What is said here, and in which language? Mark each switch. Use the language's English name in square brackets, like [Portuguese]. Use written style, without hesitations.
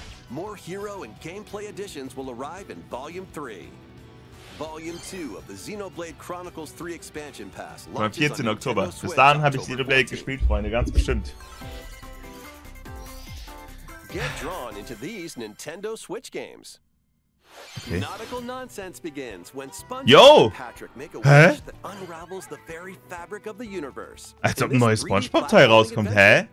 [English] More hero and gameplay additions will arrive in Volume 3. Volume 2 of the Xenoblade Chronicles 3 expansion pass. [German] Am 14. Oktober. Bis dahin habe ich Xenoblade gespielt, Freunde, ganz bestimmt. [English] Get drawn into these Nintendo Switch games. Okay. Nautical nonsense begins when SpongeBob Yo! And Patrick make a wish that unravels the very fabric of the universe. [German] Als ob ein neues SpongeBob-Teil rauskommt, hä?